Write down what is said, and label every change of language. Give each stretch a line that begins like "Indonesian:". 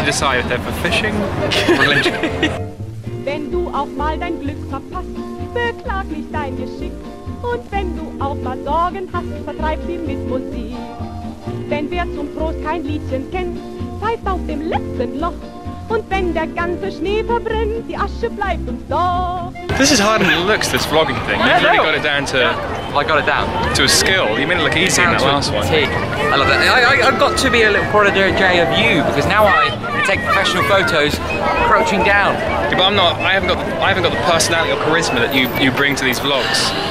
English: to decide if they're for fishing or religion.
German: Wenn du auch mal dein Glück verpasst, beklag nicht dein Geschick. Und wenn du auch mal Sorgen hast, vertreib sie mit Musik. Denn wer zum Trost kein Liedchen kennt, pfeift auf dem letzten Loch. Und wenn der ganze Schnee verbrennt, die Asche bleibt uns doch.
English: This is harder than it looks, this vlogging thing. You've really got it down to... I got it down. To a skill. You made it look easy in that last one. I love that. I've got to be a little protege of you, because now I take professional photos crouching down. Yeah, but I'm not... I haven't got the personality or charisma that you bring to these vlogs.